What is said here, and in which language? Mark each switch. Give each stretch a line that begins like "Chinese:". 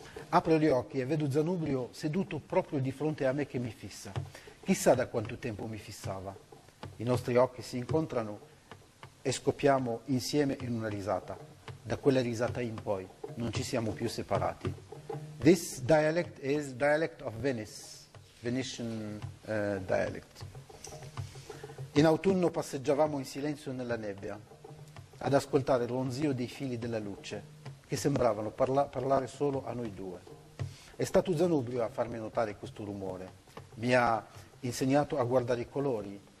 Italian: Apro gli occhi e vedo Zanubrio seduto proprio di fronte a me che mi fissa. Chissà da quanto tempo mi fissava. I nostri occhi si incontrano e scoppiamo insieme in una risata. Da quella risata in poi non ci siamo più separati.
English: This dialect is dialect of Venice, Venetian dialect.
Italian: In autunno passeggiavamo in silenzio nella nebbia ad ascoltare il ronzio dei fili della luce che sembravano parlare solo a noi due. È stato Zanubrio a farmi notare questo rumore. Mi ha insegnato a guardare i colori,